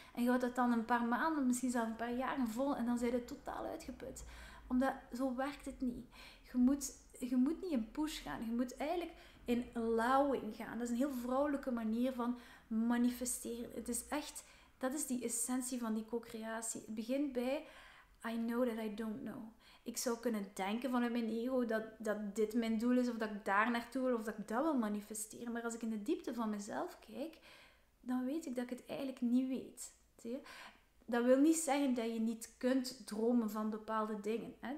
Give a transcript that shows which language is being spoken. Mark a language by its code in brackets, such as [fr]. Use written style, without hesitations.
[nl] En je houdt dat dan een paar maanden, misschien zelfs een paar jaren vol en dan zijt je totaal uitgeput. Omdat zo werkt het niet. Je moet niet in push gaan. Je moet eigenlijk in allowing gaan. Dat is een heel vrouwelijke manier van manifesteren. Het is echt, dat is die essentie van die co-creatie. [en] Het begint bij, I know that I don't know. [nl] Ik zou kunnen denken vanuit mijn ego dat dit mijn doel is. Of dat ik daar naartoe wil. Of dat ik dat wil manifesteren. Maar als ik in de diepte van mezelf kijk, dan weet ik dat ik het eigenlijk niet weet. Zie je? Dat wil niet zeggen dat je niet kunt dromen van bepaalde dingen. Hè?